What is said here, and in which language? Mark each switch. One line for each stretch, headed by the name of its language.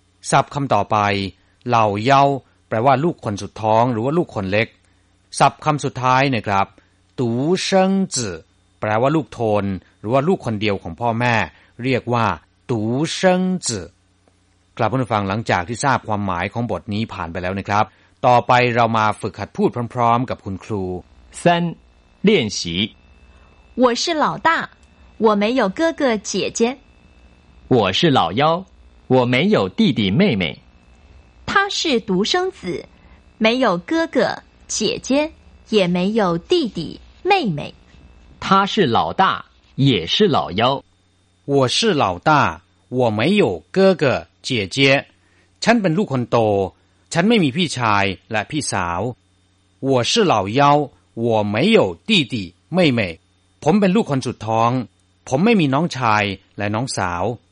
Thai: ศัพท์คำต่อไปเหล่าเยาแปลว่าลูกคนสุดท้องหรือว่าลูกคนเล็กศัพท์คำสุดท้ายนะครับตูเซิงจื่อแปลว่าลูกโทนหรือว่าลูกคนเดียวของพ่อแม่เรียกว่าตูเซิงจื่อครับผู้ฟังหลังจากที่ทราบความหมายของบทนี้ผ่านไปแล้วนะครับต่อไปเรามาฝึกหัดพูดพร้อมๆกับคุณครู
Chinese: 3练习我是老大我没有哥哥姐姐我是老幺我没有弟弟妹妹他是独生子没有哥哥姐姐也没有弟弟妹妹他是老大也是老幺我是老大我没有哥哥
Thai: เจี๋ยเจี๋ยฉันเป็นลูกคนโตฉันไม่มีพี่ชายและพี่สาว
Chinese: 我是老幺我没有弟弟妹妹
Thai: ผมเป็นลูกคนสุดท้องผมไม่มีน้องชายและน้องสาว